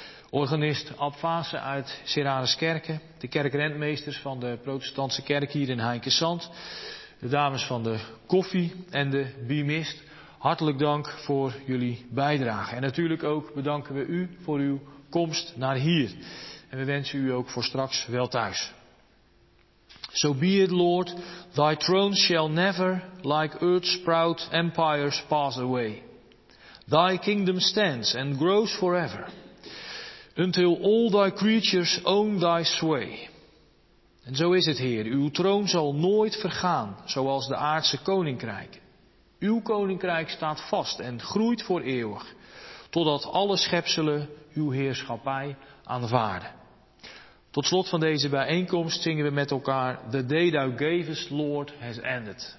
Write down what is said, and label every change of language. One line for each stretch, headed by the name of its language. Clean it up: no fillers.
Dutch: Organist Ab Vaassen uit Sieradeskerke, de kerkrentmeesters van de protestantse kerk hier in Heinkensand, de dames van de koffie en de bimist, hartelijk dank voor jullie bijdrage. En natuurlijk ook bedanken we u voor uw komst naar hier. En we wensen u ook voor straks wel thuis.
English: So be it, Lord, thy throne shall never, like earth's proud empires, pass away. Thy kingdom stands and grows forever, until all thy creatures own thy sway.
Dutch: En zo is het, Heer, uw troon zal nooit vergaan, zoals de aardse koninkrijk. Uw koninkrijk staat vast en groeit voor eeuwig, totdat alle schepselen uw heerschappij aanvaarden. Tot slot van deze bijeenkomst zingen we met elkaar The Day Thou Gavest, Lord, Has Ended.